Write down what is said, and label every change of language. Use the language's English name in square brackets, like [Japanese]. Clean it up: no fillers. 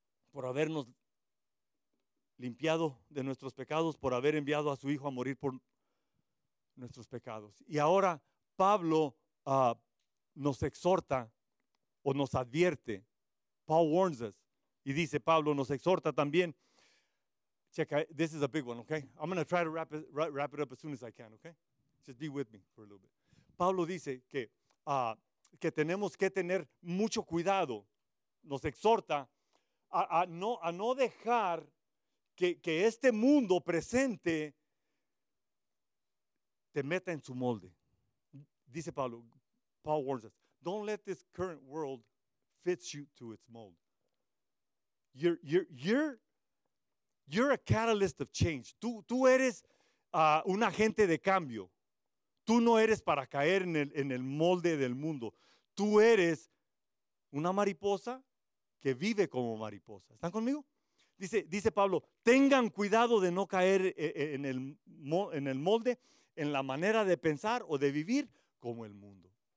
[Spanish] Por habernos limpiado de nuestros pecados, por haber enviado a su Hijo a morir por nuestros pecados. Y ahora Pablo nos exhorta o nos advierte. [English] Paul warns us. [Spanish] Y dice Pablo, nos exhorta también. [English] Checa, this is a big one, okay? I'm going to try to wrap it up as soon as I can, okay? Just be with me for a little bit. [Spanish] Pablo dice que tenemos que tener mucho cuidado, nos exhorta a no dejar que este mundo presente te meta en su molde. Dice Pablo, [English] Paul warns us, don't let this current world fit you to its mold. You're a catalyst of change. [Spanish] Tú eres un agente de cambio. Tú no eres para caer en el molde del mundo. Tú eres una mariposa que vive como mariposa. ¿Están conmigo? Dice Pablo, tengan cuidado de no caer en el molde, en la manera de pensar o de vivir como el mundo.